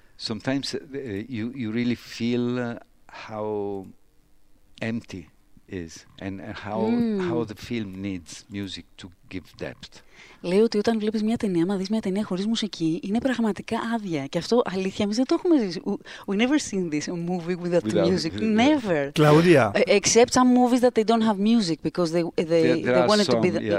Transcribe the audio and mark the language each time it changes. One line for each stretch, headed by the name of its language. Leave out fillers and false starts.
English: Sometimes you really feel how empty is and how the film needs music to give depth.
Greek: Λέει ότι όταν βλέπεις μια ταινία, άμα δεις μια ταινία χωρίς μουσική, είναι πραγματικά άδεια. Και αυτό αλήθεια, εμείς δεν το έχουμε ζήσει.
English: We never seen this, a movie without the music. Never. Claudia. Except some movies that they don't have music, because they wanted to be...